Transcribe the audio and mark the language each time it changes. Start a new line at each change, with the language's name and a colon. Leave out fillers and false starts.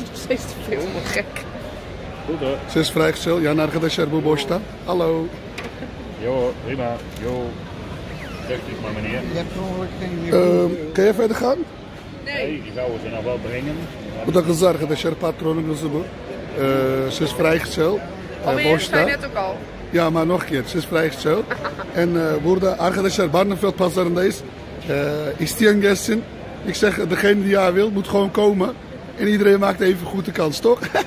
Dutch: is steeds te veel, gek. Goed, hè? Ze is vrijgezel. Ja,
Turkish: arkadaşlar, bu boşta.
Dutch: Hallo. Jo, prima. Jo. Zeg dit maar, meneer. Kan je verder gaan? Nee. Die vrouwen zijn nou wel brengen.
Turkish: Bu da kız arkadaşlar, patronum kızı bu.
Dutch: Ze is vrijgezel. Maar je zei net ook al. Ja, maar nog een keer. Ze is vrijgezel.
Turkish: En burada arkadaşlar, Barneveld pazarındayız. İsteyen gelsin.
Dutch: Ik zeg, degene die ja wil, moet gewoon komen. En iedereen maakt even goed de kans, toch?